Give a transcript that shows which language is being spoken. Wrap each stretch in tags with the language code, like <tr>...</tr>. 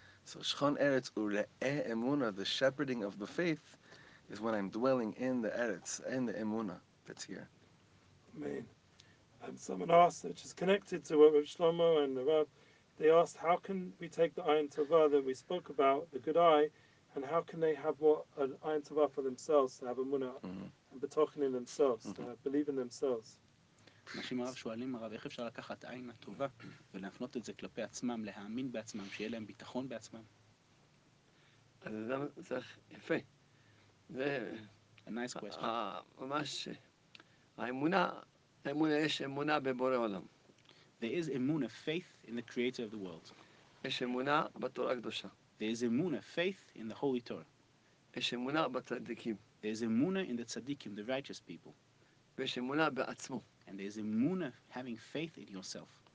<en>So Shchon Eretz Ure'eh Emunah, the shepherding of the faith, is when I'm dwelling in the Eretz, in the Emunah that's here. Amen. And someone asked, which is connected to what Rabbi Shlomo and the Rav, they asked, how can we take the Ayin Tova that we spoke about, the good eye, and how can they have what an Ayin Tova for themselves, to have Emunah, mm-hmm. and betochen in themselves, mm-hmm. to believe in themselves?</en> <he>אנשים הרב שואלים הרב, איך אפשר לקחת עין הטובה ולהפנות את זה כלפי עצמם, להאמין בעצמם, שיהיה להם ביטחון בעצמם? אז זה צריך יפה.</he> <en>A nice question.</en> <he>ממש, האמונה, יש אמונה בבורא עולם.</he> <en>There is emunah, faith in the creator of the world.</en> <he>יש אמונה בתורה הקדושה.</he> <en>There is emunah, faith in the holy Torah.</en> <he>יש אמונה בצדיקים.</he> <en>There is emunah in the tzaddikim, the righteous people.</en> <he>ויש אמונה בעצמו.</he> <en>And there's emunah, having faith in yourself.</en>